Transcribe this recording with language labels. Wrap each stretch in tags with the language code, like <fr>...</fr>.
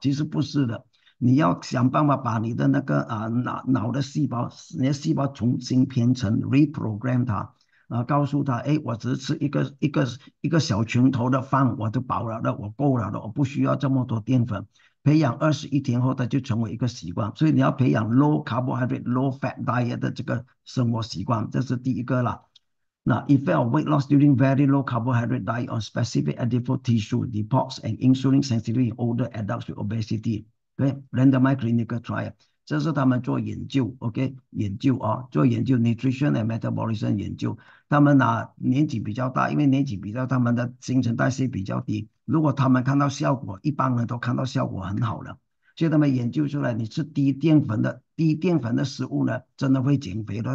<zh>其实不是的，你要想办法把你的那个脑的细胞，你的细胞重新编程 reprogram 它。告诉他，哎，我只吃一个小拳头的饭，我就饱了的，我够了的，我不需要这么多淀粉。培养21天后，它就成为一个习惯。所以你要培养</zh> <en>low carbohydrate, low fat diet</en> <zh>的这个生活习惯，这是第一个啦。</zh> <en>那 effect of weight loss during very low carbohydrate diet on specific adipose tissue deposits and insulin sensitivity in older adults with obesity. Randomized clinical trial.</en> <zh>这是他们做研究，OK，研究啊，做研究</zh> <en>nutrition and metabolism</en> <zh>研究。他们年纪比较大，因为年纪比较，他们的新陈代谢比较低。如果他们看到效果，一般人都看到效果很好了。所以他们研究出来，你吃低淀粉的食物呢，真的会减肥。</zh>